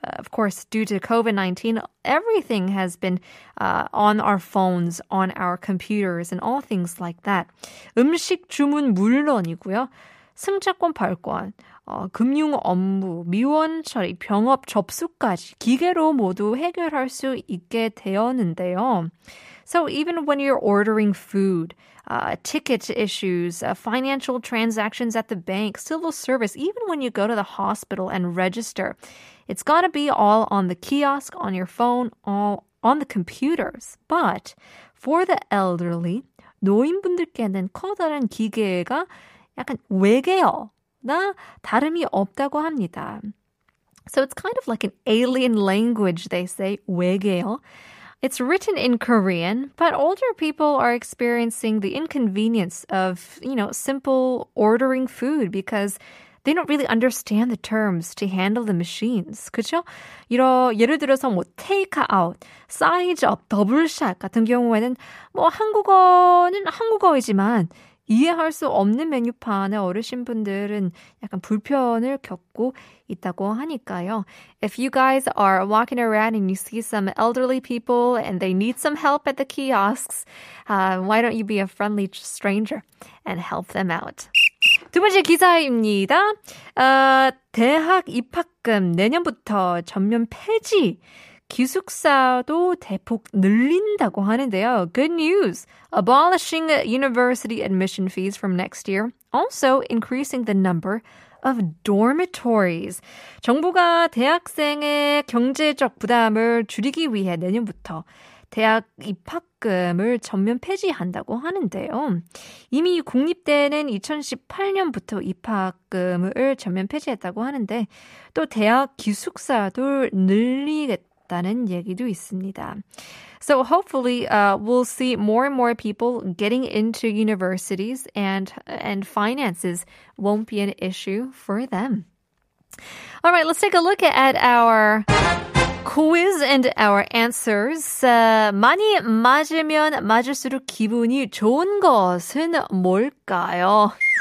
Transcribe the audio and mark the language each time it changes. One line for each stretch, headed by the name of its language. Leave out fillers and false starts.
English: Of course, due to COVID-19, everything has been on our phones, on our computers, and all things like that.
Korean: 음식 주문 물론이고요. 승차권 발권, 금융 업무, 미원 처리, 병업 접수까지 기계로 모두 해결할 수 있게 되었는데요.
English: So even when you're ordering food, ticket issues, financial transactions at the bank, civil service, even when you go to the hospital and register, it's got to be all on the kiosk, on your phone, all on the computers. But for the elderly,
Korean: 노인분들께는 커다란 기계가 약간 외계어나 다름이 없다고 합니다.
English: So it's kind of like an alien language, they say, 외계어. It's written in Korean, but older people are experiencing the inconvenience of, you know, simple ordering food because they don't really understand the terms to handle the machines.
Korean: 그렇죠? 이런 예를 들어서 뭐 테이크 아웃, 사이즈 업, 더블 샷 같은 경우에는 뭐 한국어는 한국어이지만 이해할 수 없는 메뉴판에 어르신분들은 약간 불편을 겪고 있다고 하니까요.
English: If you guys are walking around and you see some elderly people and they need some help at the kiosks, why don't you be a friendly stranger and help them out?
Korean: 두 번째 기사입니다. 대학 입학금 내년부터 전면 폐지. 기숙사도 대폭 늘린다고 하는데요.
English: Good news! Abolishing university admission fees from next year, also increasing the number of dormitories.
Korean: 정부가 대학생의 경제적 부담을 줄이기 위해 내년부터 대학 입학금을 전면 폐지한다고 하는데요. 이미 국립대는 2018년부터 입학금을 전면 폐지했다고 하는데 또 대학 기숙사도 늘리겠다. 다는 얘기도 있습니다.
English: So hopefully we'll see more and more people getting into universities and finances won't be an issue for them. All right, let's take a look at our quiz and our answers.
Korean: 많이 맞으면 맞을수록 기분이 좋은 것은 뭘까요?